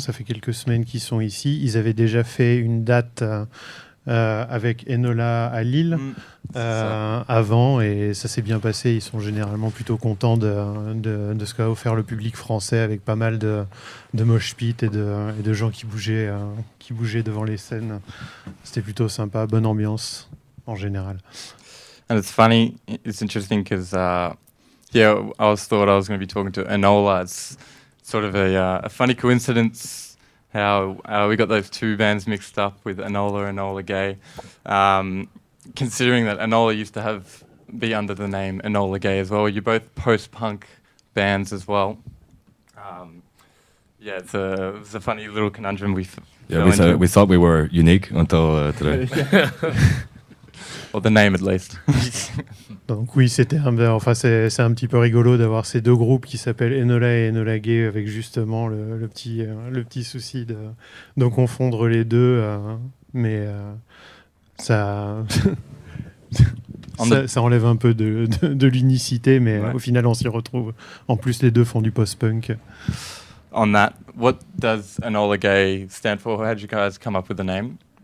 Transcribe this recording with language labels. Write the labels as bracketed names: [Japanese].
[French] Ça fait quelques semaines qu'ils sont ici. Ils avaient déjà fait une date avec Enola à Lille avant, et ça s'est bien passé. Ils sont généralement plutôt contents de ce qu'a offert le public français, avec pas mal de mosh pit et de gens qui bougeaient devant les scènes. C'était plutôt sympa, bonne ambiance. En général. [English] And it's funny, it's interesting because I was thought I was going to be talking to Enola. It's sort of a funny coincidence how we got those two bands mixed up with Enola and Enola Gay. Considering that Enola used to be under the name Enola Gay as well. You're both post-punk bands as well. It's a funny little conundrum we thought we were unique until today. Or the name at least. [French] Donc oui, c'est un petit peu rigolo d'avoir ces deux groupes qui s'appellent Enola et Enola Gay, avec justement le petit souci de confondre les deux, mais ça enlève un peu de l'unicité, mais au final on s'y retrouve. En plus, les deux font du post-punk. [English] On that, what does Enola Gay stand for? How did you guys come up with the name?